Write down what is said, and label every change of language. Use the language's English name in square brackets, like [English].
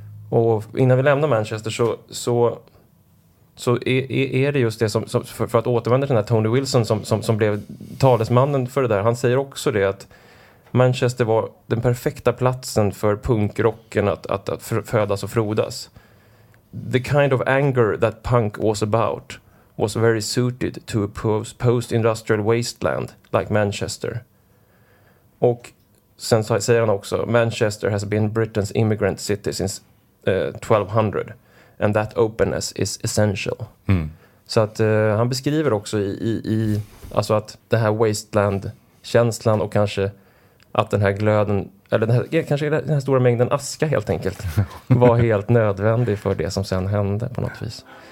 [Swedish] Och innan vi lämnar Manchester så är det just det som för att återvända till den här Tony Wilson som blev talesmannen för det där. Han säger också det, att Manchester var den perfekta platsen för punkrocken att födas och frodas. [English] The kind of anger that punk was about was very suited to a post-industrial wasteland like Manchester. [Swedish] Och sen säger han också: [English] Manchester has been Britain's immigrant city since 1200. And that openness is essential. Mm. [Swedish] Så att han beskriver också i alltså att det här wasteland-känslan och kanske att den här glöden, eller den här, kanske den här stora mängden aska helt enkelt, var helt nödvändig för det som sen hände på något vis.